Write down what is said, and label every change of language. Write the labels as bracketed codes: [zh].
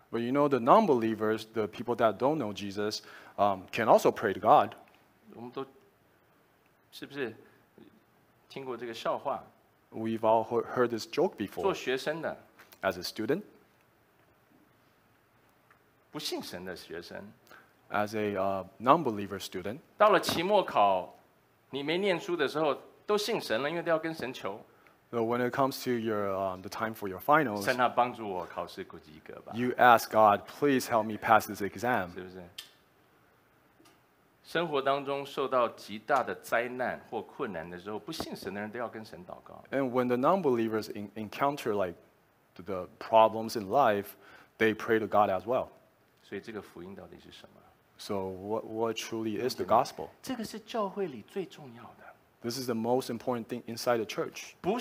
[en] But you know the non-believers, the people that don't know Jesus, can also pray to God. [zh] 我们都是不是听过这个笑话？ [en] We've all heard this joke before. [zh] 做学生的， [en] as a student, [zh] 不信神的学生， [en] as a non-believer student. [zh] 到了期末考，你没念书的时候，都信神了，因为都要跟神求。 [en] So when it comes to your the time for your finals, [zh] 神啊，帮助我考试过及格吧。 [en] You ask God, please help me pass this exam. [zh] 是不是？生活当中受到极大的灾难或困难的时候，不信神的人都要跟神祷告。 [en] And when the non-believers encounter like the problems in life, they pray to God as well. [zh] 所以这个福音到底是什么？ [en] So what truly is the gospel? [zh] 这个是教会里最重要的。 [en] This is the most important thing inside the church.